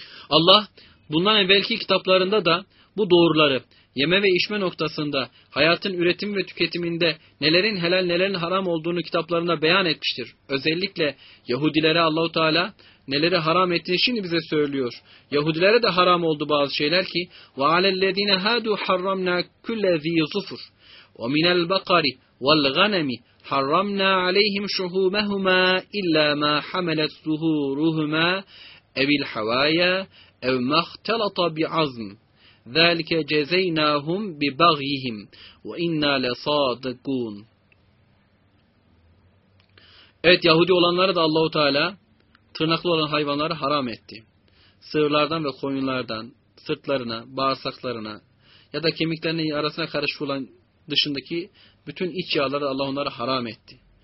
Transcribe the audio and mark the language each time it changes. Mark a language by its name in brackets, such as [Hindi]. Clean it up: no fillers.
[Turkish] Allah bundan evvelki kitaplarında da bu doğruları yeme ve içme noktasında, hayatın üretim ve tüketiminde nelerin helal nelerin haram olduğunu kitaplarında beyan etmiştir. Özellikle Yahudilere Allah-u Teala neleri haram ettiğini şimdi bize söylüyor. Yahudilere de haram oldu bazı şeyler ki [Arabic] وَعَلَى الَّذ۪ينَ هَادُوا حَرَّمْنَا كُلَّ ذ۪ي ظُفُرٍ وَمِنَ الْبَقَرِ وَالْغَنَمِ حَرَّمْنَا عَلَيْهِمْ شُهُومَهُمَا اِلَّا مَا حَمَلَتْ زُهُورُهُمَا اَوِ الْحَوَايَا اَوْ مَخْتَلَطَ بِعَظْمٍ ذَلِكَ جَزَيْنَاهُمْ بِبَغْيِهِمْ وَاِنَّا لَصَادِقُونَ. [Turkish] Evet, Yahudi olanlara da Allah-u Teala tırnaklı olan hayvanları haram etti. Sığırlardan ve koyunlardan sırtlarına, bağırsaklarına ya da kemiklerinin arasına karışık olan dışındaki bütün iç yağları Allah onları haram etti.